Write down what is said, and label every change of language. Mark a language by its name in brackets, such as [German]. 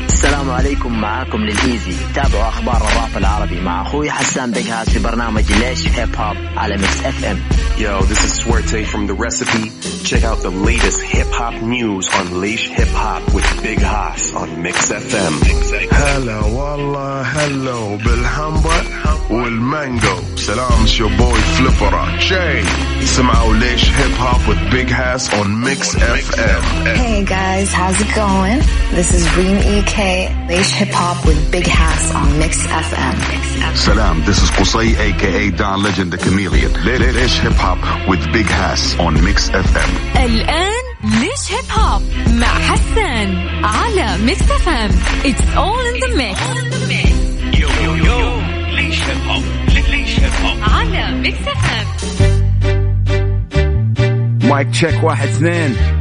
[Arabic] السلام عليكم معاكم للإيزي تابعوا أخبار الراب العربي مع أخوي حسان بيكاس في برنامج ليش هيب هوب على ميكس اف ام. [English] Yo, this is Swerte from The Recipe. Check out the latest hip hop news on Laish Hip Hop with Big Hoss on Mix FM. [Arabic] Hello, والله hello, بالهمبر والمانجو. [English] Salam, it's your boy Flipper Jay. Somehow Laish Hip Hop with Big Hoss on Mix FM. Hey guys, how's it going? This is Reem EK, Laish Hip Hop with Big Hoss on Mix FM. Salam, this is Qusay, aka Don Legend the Chameleon. Laish Hip Hop with Big Hoss on Mix FM. [Arabic] الآن ليش هيب هوب مع حسن على Mix FM. [English] It's all in the mix. Yo, yo, yo, ليش hip hop, ليش hip hop [Arabic] على Mix FM. مايك تشيك 1 2.